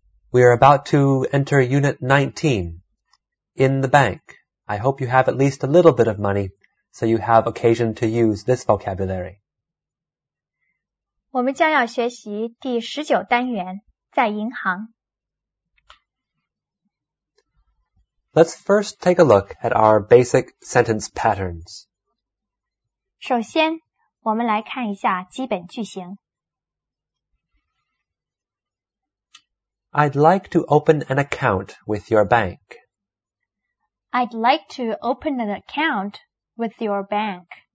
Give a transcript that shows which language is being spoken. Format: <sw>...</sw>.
<en>We are about to enter Unit 19, In the Bank. I hope you have at least a little bit of money, so you have occasion to use this vocabulary.</en> <zh>我们将要学习第十九单元，在银行。</zh> <en>Let's first take a look at our basic sentence patterns.</en> <zh>首先，我们来看一下基本句型。</zh> <en>I'd like to open an account with your bank. I'd like to open an account with your bank.</en>